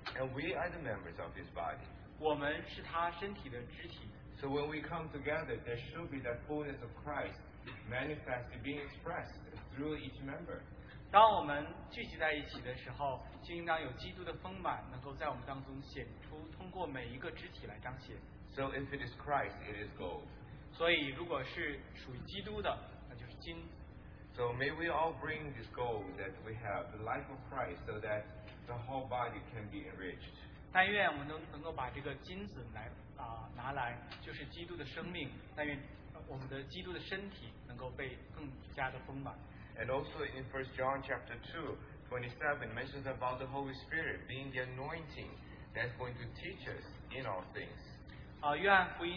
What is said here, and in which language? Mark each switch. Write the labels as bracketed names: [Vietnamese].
[English] And we are the members of his body. [Chinese] 我们是他身体的肢体。 [English] So when we come together, there should be the fullness of Christ manifested, being expressed through each member. [Chinese] 当我们聚集在一起的时候, 就应当有基督的丰满能够在我们当中显出, 通过每一个肢体来彰显。 [English] So if it is Christ, it is gold. [Chinese] 所以如果是属于基督的, 那就是金。 [English] So may we all bring this gold that we have, the life of Christ, so that the whole body can be enriched. [Chinese] 但愿我们能够把这个金子拿来，就是基督的生命。但愿我们的基督的身体能够被更加的丰满。 [English] And also in 1 John chapter 2, 27, mentions about the Holy Spirit being the anointing that's going to teach us in all things.